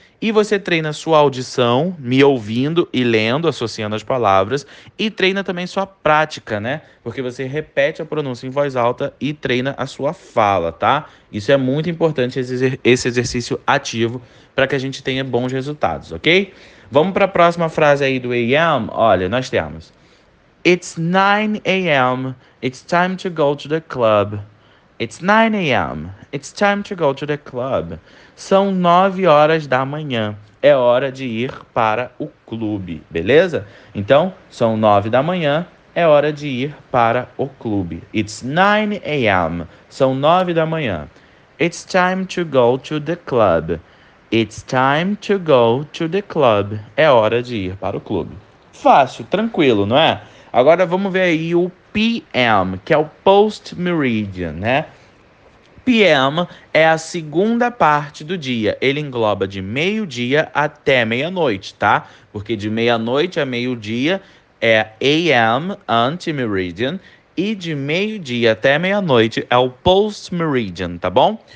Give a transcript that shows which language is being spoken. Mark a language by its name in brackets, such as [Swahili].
[Portuguese] E você treina sua audição, me ouvindo e lendo, associando as palavras, e treina também sua prática, né? Porque você repete a pronúncia em voz alta e treina a sua fala, tá? Isso é muito importante, esse exercício ativo, para que a gente tenha bons resultados, ok? Vamos para a próxima frase aí do AM. Olha, nós temos: [English] It's 9 a.m. It's time to go to the club. It's 9 a.m. It's time to go to the club. [Portuguese] São 9 horas da manhã. É hora de ir para o clube, beleza? Então, são 9 da manhã. É hora de ir para o clube. [English] It's 9 a.m. [Portuguese] São 9 da manhã. [English] It's time to go to the club. It's time to go to the club. [Portuguese] É hora de ir para o clube. Fácil, tranquilo, não é? Agora vamos ver aí o PM, que é o post-meridian, né? PM é a segunda parte do dia. Ele engloba de meio-dia até meia-noite, tá? Porque de meia-noite a meio-dia é AM, anti-meridian, e de meio-dia até meia-noite é o post-meridian, tá bom?